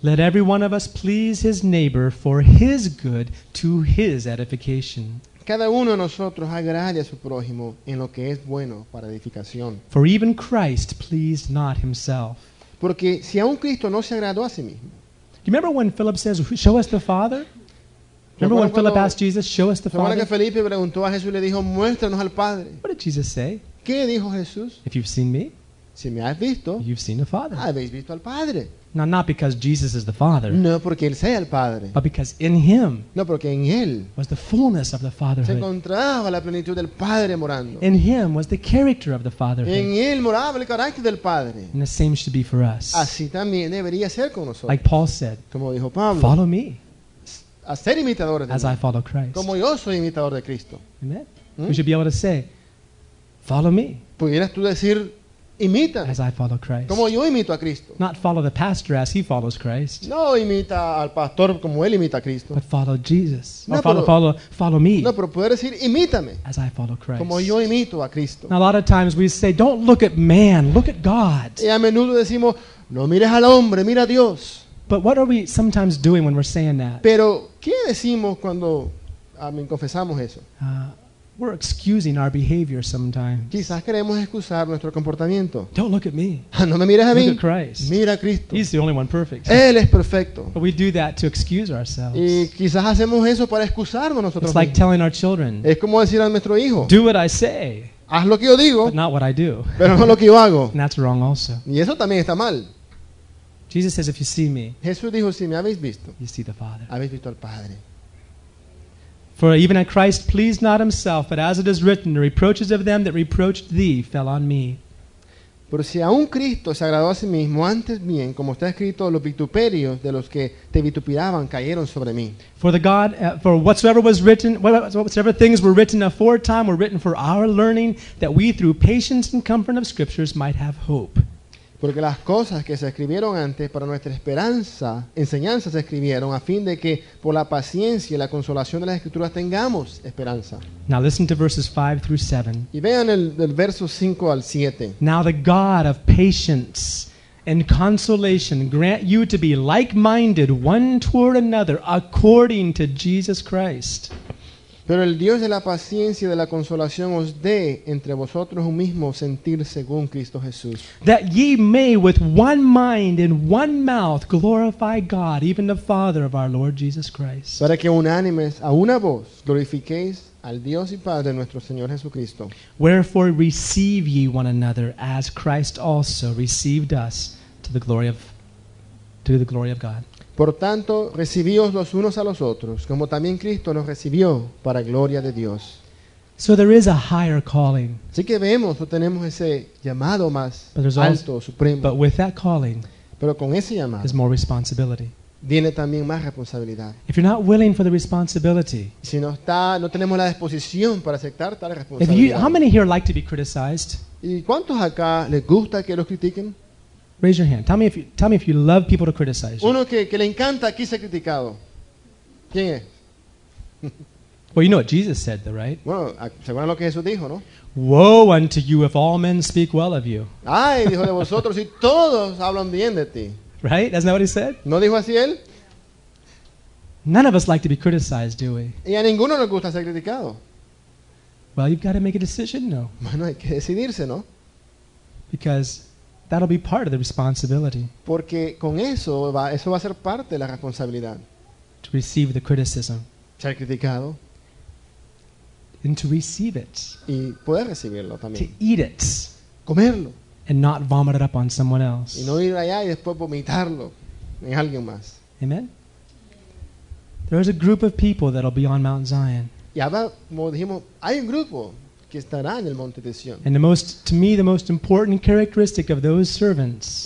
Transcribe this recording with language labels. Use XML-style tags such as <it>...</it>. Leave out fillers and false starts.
<en>Let every one of us please his neighbor for his good to his edification.</en> <es>Cada uno de nosotros agrade a su prójimo en lo que es bueno para edificación.</es> <en>For even Christ pleased not himself.</en> <es>Porque si aún Cristo no se agradó a sí mismo.</es> <en>Remember when Philip says, "Show us the Father." Remember when Philip asked Jesus, "Show us the Father."</en> <es>Que Felipe preguntó a Jesús y le dijo, "Muéstranos al Padre."</es> <en>What did Jesus say?</en> <es>¿Qué dijo Jesús?</es> <en>If you've seen me,</en> <es>si me has visto,</es> <en>you've seen the Father.</en> <es>Habéis visto al Padre.</es> <en>Not because Jesus is the Father.</en> <es>No porque él sea el Padre.</es> <en>But because in Him,</en> <es>no porque en él,</es> <en>was the fullness of the Fatherhood.</en> <es>Se encontraba la plenitud del Padre morando.</es> <en>In Him was the character of the Fatherhood.</en> <es>En él moraba el carácter del Padre.</es> <en>And the same should be for us.</en> <es>Así también debería ser con nosotros.</es> <en>Like Paul said,</en> <es>como dijo Pablo,</es> <en>follow me,</en> <es>a ser imitador de mí,</es> <en>as I follow Christ.</en> <es>Como yo soy imitador de Cristo.</es> <en>Amen. We should be able to say, follow me.</en> <es>Pudieras tú decir, imita,</es> <en>as I follow Christ.</en> <es>Como yo imito a Cristo.</es> <en>Not follow the pastor as he follows Christ.</en> <es>No imita al pastor como él imita a Cristo.</es> <en>But follow Jesus. No, or follow me.</en> <es>No, pero poder decir imítame.</es> <en>As I follow Christ.</en> <es>Como yo imito a Cristo.</es> <en>Now, a lot of times we say, don't look at man, look at God.</en> <es>Y a menudo decimos, no mires al hombre, mira a Dios.</es> <en>But what are we sometimes doing when we're saying that?</en> <es>Pero ¿qué decimos cuando confesamos eso?</es> <en>We're excusing our behavior sometimes.</en> <es>Quizás queremos excusar nuestro comportamiento.</es> <en>Don't look at me.</en> <es>No me mires a mí.</es> <en>Look at Christ.</en> <es>Mira a Cristo.</es> <en>He's the only one perfect.</en> <es>Él es perfecto.</es> <en>But we do that to excuse ourselves.</en> <es>Y quizás hacemos eso para excusarnos nosotros mismos.</es> <en>It's like telling our children.</en> <es>Es como decir a nuestro hijo.</es> <en>Do what I say.</en> <es>Haz lo que yo digo.</es> <en>But not what I do.</en> <es>Pero no lo que yo hago.</es> <en>And that's wrong also.</en> <es>Y eso también está mal.</es> <en>Jesus says, if you see me.</en> <es>Jesús dijo, si me habéis visto.</es> <en>You see the Father.</en> <es>Habéis visto al Padre.</es> <en>For even at Christ pleased not himself, but as it is written, the reproaches of them that reproached thee fell on me.</en> <es>Pero si aún Cristo se agradó a sí mismo, antes bien, como está escrito, los vituperios de los que te vituperaban cayeron sobre mí.</es> <en>For the God, for whatsoever was written, whatsoever things were written aforetime were written for our learning, that we through patience and comfort of scriptures might have hope.</en> <es>Porque las cosas que se escribieron antes para nuestra esperanza, enseñanzas se escribieron a fin de que por la paciencia y la consolación de las Escrituras tengamos esperanza.</es> <en>Now listen to verses 5 through 7.</en> <es>Y vean del verso 5 al 7.</es> <en>Now the God of patience and consolation grant you to be like-minded one toward another according to Jesus Christ.</en> <es>Pero el Dios de la paciencia y de la consolación os dé entre vosotros un mismo sentir según Cristo Jesús.</es> <en>That ye may with one mind and one mouth glorify God, even the Father of our Lord Jesus Christ.</en> <es>Para que unánimes a una voz glorifiquéis al Dios y Padre nuestro Señor Jesucristo.</es> <en>Wherefore receive ye one another as Christ also received us to the glory of God.</en> <es>Por tanto, recibíos los unos a los otros, como también Cristo nos recibió para gloria de Dios.</es> <en>So there is a higher calling.</en> <es>Así que vemos o tenemos ese llamado más alto, supremo.</es> <en>But with that calling,</en> <es>pero con ese llamado,</es> <en>is more responsibility.</en> <es>Viene también más responsabilidad.</es> <en>If you're not willing for the responsibility,</en> <es>si no está, no tenemos la disposición para aceptar tal responsabilidad.</es> <en>If you, how many here like to be criticized?</en> <es>¿Y cuántos acá les gusta que los critiquen?</es> <en>Raise your hand. Tell me if you love people to criticize.</en> <es>Uno que le encanta aquí ser criticado. ¿Quién es?</es> <en>Well, you know what Jesus said, though, right?</en> <es>Bueno, ¿se acuerdan lo que Jesús dijo, no?</es> <en>Woe unto you if all men speak well of you.</en> <es>Ay, dijo de vosotros si todos hablan bien de ti.</es> <en>Right? That's not what he said?</en> <es>¿No dijo así él?</es> <en>None of us like to be criticized, do we?</en> <es>Y a ninguno nos gusta ser criticado.</es> <en>Well, you've got to make a decision, no.</en> <es>Bueno, hay que decidirse, ¿no?</es> <en>Because that'll be part of the responsibility.</en> <es>Porque con eso va a ser parte de la responsabilidad.</es> <en>To receive the criticism.</en> <es>Ser criticado.</es> <en>And to receive it.</en> <es>Y poder recibirlo también.</es> <en>To eat it.</en> <es>Comerlo.</es> <en>And not vomit it up on someone else.</en> <es>Y no ir allá y después vomitarlo en alguien más.</es> <en>Amen. There is a group of people that'll be on Mount Zion.</en> <es>Y ahora, como dijimos, hay un grupo. Que estará en el monte de Sion.</es> <en>And the most, to me, the most important characteristic of those servants.</en>